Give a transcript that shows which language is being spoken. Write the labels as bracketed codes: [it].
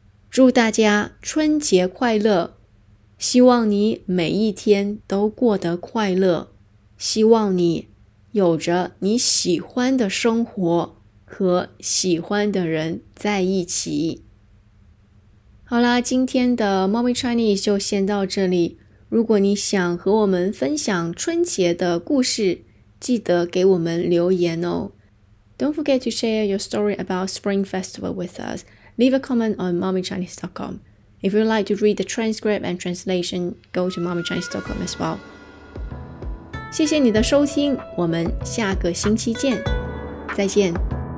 [zh] 祝大家春节快乐，希望你每一天都过得快乐，希望你有着你喜欢的生活和喜欢的人在一起。好啦，今天的 Mommy Chinese 就先到这里。如果你想和我们分享春节的故事，记得给我们留言哦。 [en] Don't forget to share your story about Spring Festival with us. Leave a comment on mommychinese.com. If you'd like to read the transcript and translation, go to mommychinese.com as well. [zh] 谢谢你的收听，我们下个星期见。再见。